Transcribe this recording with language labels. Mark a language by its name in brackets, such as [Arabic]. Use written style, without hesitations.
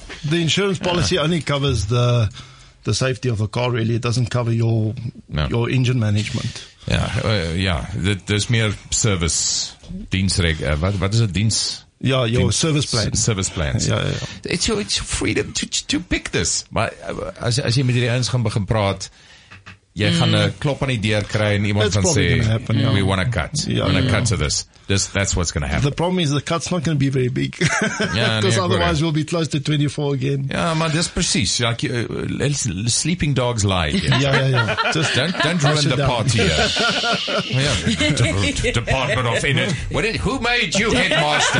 [English] The insurance policy only covers the safety of the car, really. It doesn't cover your engine management. Yeah. There's mere service. What is it? Dienst? Yeah, your Dienst, service plan. Service plans. Yeah. It's your freedom to pick this. But as you [Afrikaans] met die ouens gaan begin praat, jy gaan 'n klop aan die deur kry en iemand gaan sê, [English] we want a cut. Yeah, we want a cut to this. That's what's going to happen. The problem is the cut's not going to be very big. Yeah, because [Afrikaans] nee, [English] otherwise we'll be close to 24 again. Yeah, man, that's precies. Like, sleeping dogs lie. Yeah. Just don't ruin the party. Department of Energy. Who made you headmaster?